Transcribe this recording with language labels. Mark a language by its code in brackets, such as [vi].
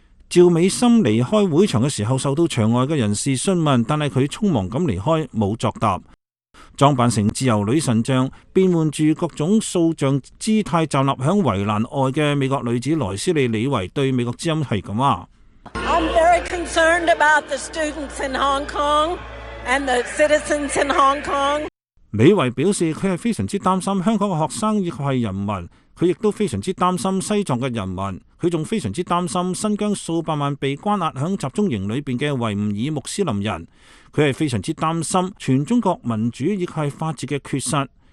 [zh] 赵美心离开会场的时候受到场外的人士询问，但是她匆忙地离开没有作答。装扮成自由女神像，变换住各种塑像姿态站立在围栏外的美国女子莱斯利·李维对美国之音是这样说， [en] I'm very concerned about the students in Hong Kong and the citizens in Hong Kong。 [zh] 李维表示她是非常担心香港的学生以及人民，她亦都非常担心西藏的人民，她还非常担心新疆数百万被关押在集中营里面的维吾尔穆斯林人，他是非常担心全中国民主以及法治的缺失。